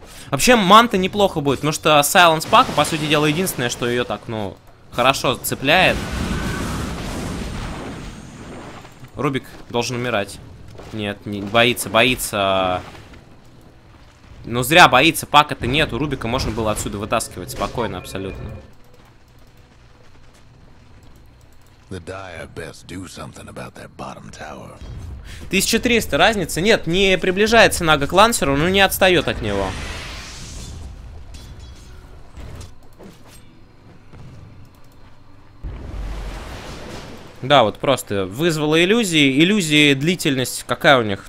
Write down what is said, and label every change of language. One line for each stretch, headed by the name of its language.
Russian: Вообще, манта неплохо будет, потому что Сайленс Пака, по сути дела, единственное, что ее так, ну, хорошо цепляет. Рубик должен умирать. Нет, не, боится. Ну, зря боится, пака-то нет. У Рубика можно было отсюда вытаскивать спокойно, абсолютно.
English: The dire best do something about their bottom tower.
Russian: 1300, разница? Нет, не приближается Нага к лансеру, но не отстает от него. Да, вот просто вызвало иллюзии. Иллюзии, длительность, какая у них?